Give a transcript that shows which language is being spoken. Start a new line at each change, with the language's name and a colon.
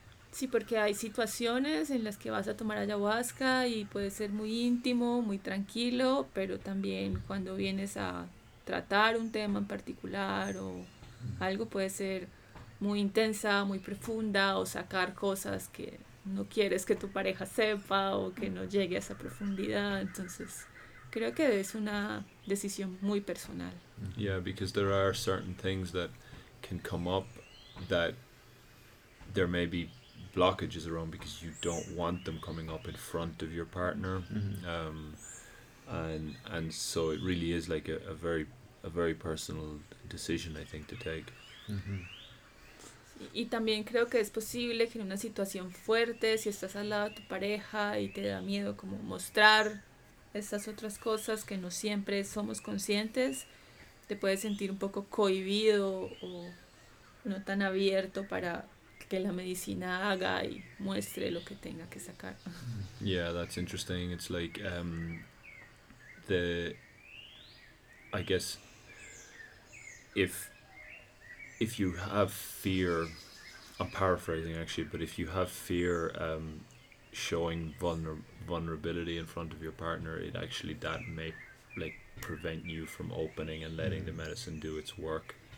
Spanish: Sí, porque hay situaciones en las que vas a tomar ayahuasca y puede ser muy íntimo, muy tranquilo, pero también cuando vienes a tratar un tema en particular o algo, puede ser muy intensa, muy profunda, o sacar cosas que no quieres que tu pareja sepa o que no llegue a esa profundidad. Entonces, creo que es una decisión muy personal.
English: Yeah, because there are certain things that can come up that there may be blockages around because you don't want them coming up in front of your partner, and so it really is like a very personal decision, I think, to take.
Spanish: Y también creo que es posible que en una situación fuerte, si estás al lado de tu pareja y te da miedo como mostrar esas otras cosas que no siempre somos conscientes, te puedes sentir un poco cohibido o no tan abierto para que la medicina haga y muestre lo que tenga que sacar.
English: Yeah, that's interesting. It's like I guess if you have fear, I'm paraphrasing actually, but if you have fear showing vulnerability in front of your partner, it actually that may like prevent you from opening and letting the medicine do its work.